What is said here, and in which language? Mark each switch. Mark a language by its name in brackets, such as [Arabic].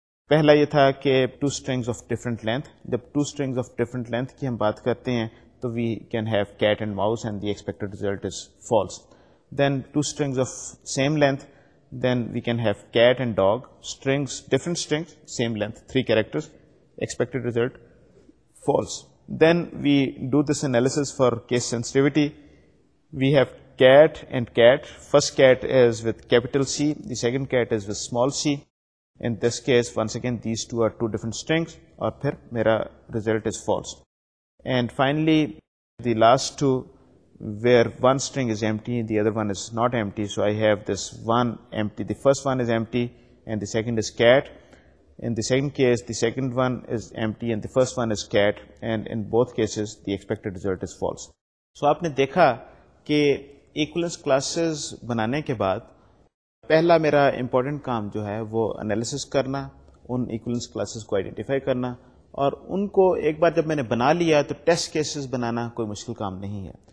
[English] پہلا یہ تھا کہ two strings of different length. جب two strings of different length کی ہم بات کرتے ہیں تو we can have cat and mouse and the expected result is false. Then two strings of same length, then we can have cat and dog. Strings different strings same length, three characters, expected result false. Then we do this analysis for case sensitivity. We have cat and cat. First cat is with capital C. The second cat is with small c. In this case, once again, these two are two different strings. [Urdu] Aur phir mera [English] result is false. And finally, the last two, where one string is empty, the other one is not empty. So I have this one empty. The first one is empty and the second is cat. In the same case, the second one is empty and the first one is cat, and in both cases, the expected result is false. [Urdu] So, آپ نے دیکھا کہ equivalence classes بنانے کے بعد پہلا میرا important کام جو ہے وہ analysis کرنا, ان equivalence classes کو identify کرنا, اور ان کو ایک بار جب میں نے بنا لیا تو test cases بنانا کوئی مشکل کام نہیں ہے.